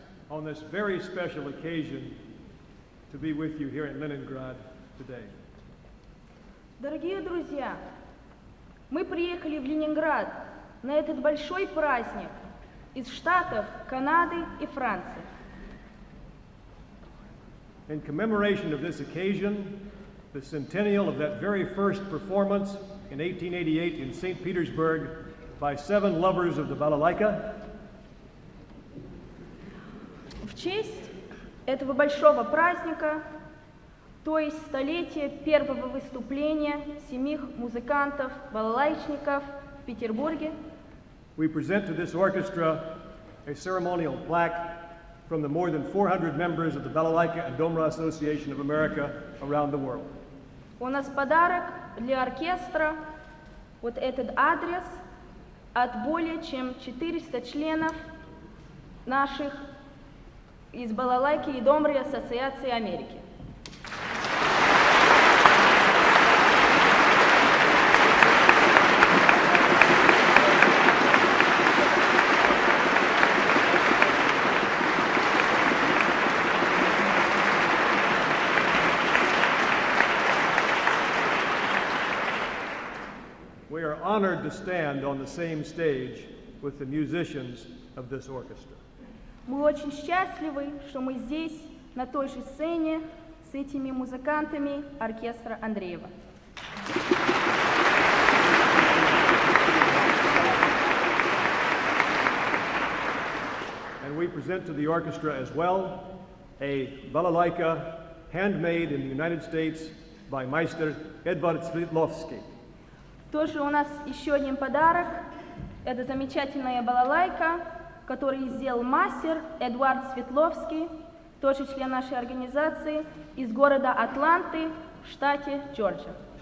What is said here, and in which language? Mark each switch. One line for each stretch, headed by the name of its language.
English: On this very special occasion to be with you here in Leningrad today.
Russian: Дорогие друзья, мы приехали в Ленинград на этот большой праздник из Штатов, Канады и Франции.
English: In commemoration of this occasion, the centennial of that very first performance in 1888 in St. Petersburg by seven lovers of the balalaika,
Russian: в честь этого большого праздника, то есть столетия первого выступления семи музыкантов-балалайчников в Петербурге,
English: we present to this orchestra a ceremonial plaque from the more than 400 members of the Balalaika and Domra Association of America around the world.
Russian: У нас подарок для оркестра, вот этот адрес от более чем 400 членов наших из Балалайки и Домры Ассоциации Америки.
English: We are honored to stand on the same stage with the musicians of this orchestra.
Russian: Мы очень счастливы, что мы здесь, на той же сцене, с этими музыкантами оркестра Андреева.
English: And we present to the orchestra as well a balalaika handmade in the United States by Meister Edvard Svetlovsky.
Russian: Тоже у нас еще один подарок. Это замечательная балалайка, который сделал мастер Эдуард Светловский, тоже член нашей организации, из города Атланты в штате Джорджия.